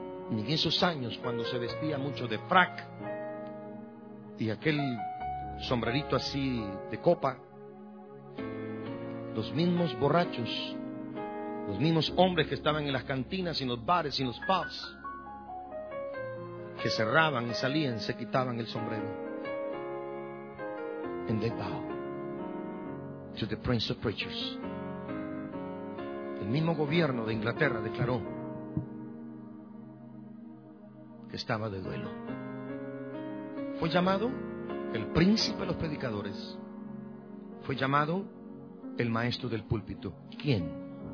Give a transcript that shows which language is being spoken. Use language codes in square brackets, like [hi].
[es] Ni en esos años, cuando se vestía mucho de frac y aquel sombrerito así de copa, los mismos borrachos, los mismos hombres que estaban en las cantinas, en los bares, en los pubs, que cerraban y salían, se quitaban el sombrero. [en] And they bow to the Prince of Preachers. [es] El mismo gobierno de Inglaterra declaró que estaba de duelo. Fue llamado el príncipe de los predicadores. Fue llamado el maestro del púlpito. ¿Quién?